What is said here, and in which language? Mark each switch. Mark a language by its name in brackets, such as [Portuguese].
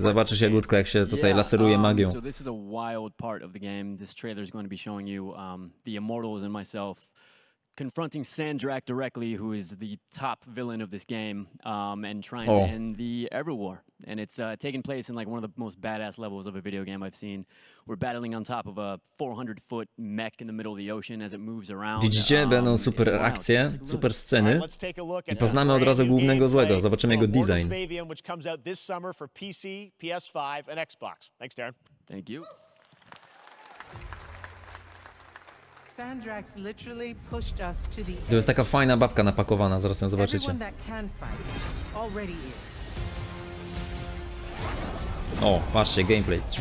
[Polish] Zobaczysz, Jagódko, jak się tutaj laseruje magią. [English] So this is a wild part of the game. This trailer is going to be showing you the Immortals and myself confronting Sandrak directly, who is the top villain of this game, and trying to end the Everwar. And it's taking place in like one of the most badass levels of a video game I've seen. We're battling on top of a 400-foot mech in the middle of the ocean as it moves around. [Polish] Widzicie, będą super akcje, super sceny. I poznamy od razu głównego złego, zobaczymy jego design. [English] Which comes out this summer for PC, PS5, and Xbox. Thanks, Darren. Thank you. Sandrax literally pushed us to the edge. [Polish] To jest taka fajna babka napakowana, zaraz ją zobaczycie. O, patrzcie, gameplay.